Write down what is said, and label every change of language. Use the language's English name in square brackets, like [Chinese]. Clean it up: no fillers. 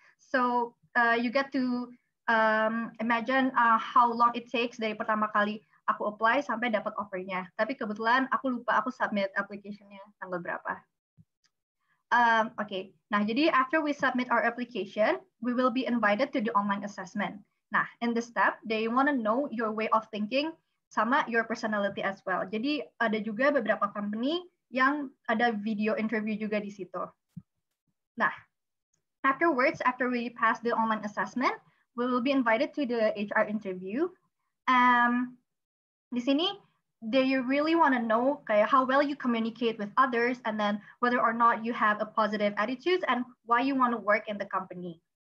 [English] So, you get to imagine how long it takes [Indonesian] dari pertama kali aku apply sampai dapat offer-nya. Tapi kebetulan aku lupa aku submit application-nya tanggal berapa. Okay. Nah, jadi [English] after we submit our application, we will be invited to the online assessment. Nah, in this step, they want to know your way of thinking sama your personality as well. [Indonesian] Jadi, ada juga beberapa company yang ada video interview juga di situ. [English] Nah, afterwards, after we pass the online assessment, we will be invited to the HR interview. [Indonesian] Di sini, [English] they really want to know kayak how well you communicate with others and then whether or not you have a positive attitude and why you want to work in the company.